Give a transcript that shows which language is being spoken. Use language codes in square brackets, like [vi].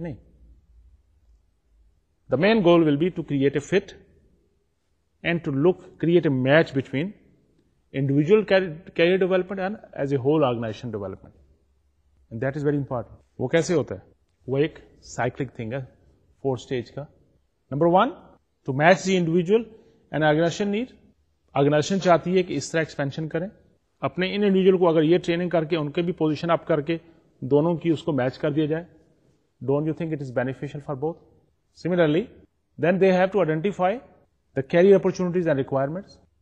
[en] نہیں, the main goal will be to create a fit and to look create a match between individual career development and as a whole organization development. That is very important. [ur] وہ کیسے ہوتا ہے؟ وہ ایک cyclic thing ہے, four stage کا. [en] Number one, to match the individual and organization need. [ur] Organization چاہتی ہے کہ اس طرح ایکسپینشن کریں اپنے ان انڈیویجل کو, اگر یہ ٹریننگ کر کے ان کے بھی پوزیشن اپ کر کے دونوں کی اس کو میچ کر دیا جائے. [en] Don't you think it is beneficial for both? Similarly then they have to identify the career opportunities and requirements.